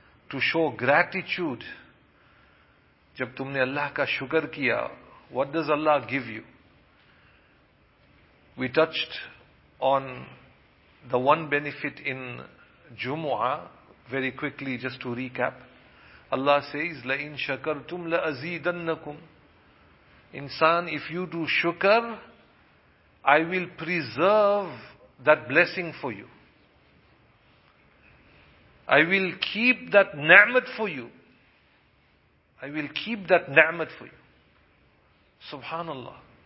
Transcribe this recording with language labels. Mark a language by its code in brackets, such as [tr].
[en] To show gratitude. [ur] Jab tumne Allah ka shukr kiya, [en] what does Allah give you? We touched on the one benefit in Jumu'ah. Very quickly, just to recap. Allah says, [ar] لَإِن شَكَرْتُمْ لَأَزِيدَنَّكُمْ. [en] Insan, if you do shukr, I will preserve that blessing for you. I will keep that ni'mat for you. I will keep that ni'mat for you. Subhanallah.